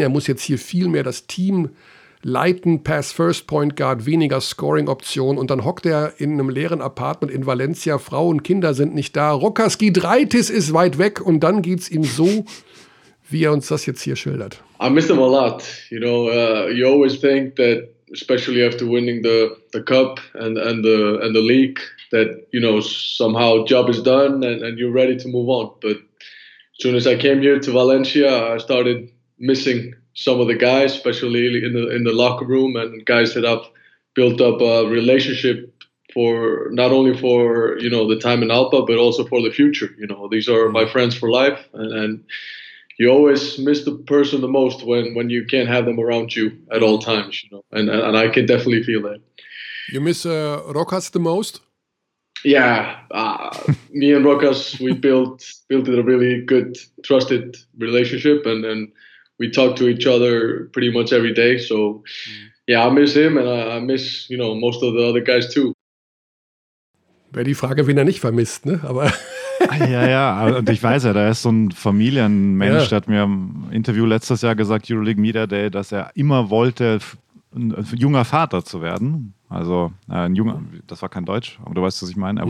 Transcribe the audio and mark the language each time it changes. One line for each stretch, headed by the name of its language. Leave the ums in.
German: Er muss jetzt hier viel mehr das Team leiten Pass First Point Guard, weniger Scoring Option und dann hockt er in einem leeren Apartment in Valencia. Frauen Kinder sind nicht da. Rokas Dreitis ist weit weg und dann geht's ihm so, wie er uns das jetzt hier schildert.
English: I miss him a lot. You know, uh, you always think that, especially after winning the the cup and and the and the league, that you know somehow job is done and and you're ready to move on. But as soon as I came here to Valencia, I started missing some of the guys, especially in the in the locker room, and guys that i have built up a relationship for not only for you know the time in Alba, but also for the future. You know, these are my friends for life, and, and, you always miss the person the most when when you can't have them around you at all times. You know, and and I can definitely feel that. You miss uh, Rokas the most. Yeah, uh, me and Rokas, we built built a really good, trusted relationship, and and. we talk to each other pretty much every day. So, yeah, I miss him and I miss, you know, most of the other guys too.
German: Wäre die Frage, wen er nicht vermisst, ne? Aber. ja, ja, und ich weiß ja, da ist so ein Familienmensch, ja. der hat mir im Interview letztes Jahr gesagt, Euroleague a Day, dass er immer wollte, ein junger Vater zu werden. Also ein junger, das war kein Deutsch, aber du weißt, was ich meine. Er mhm.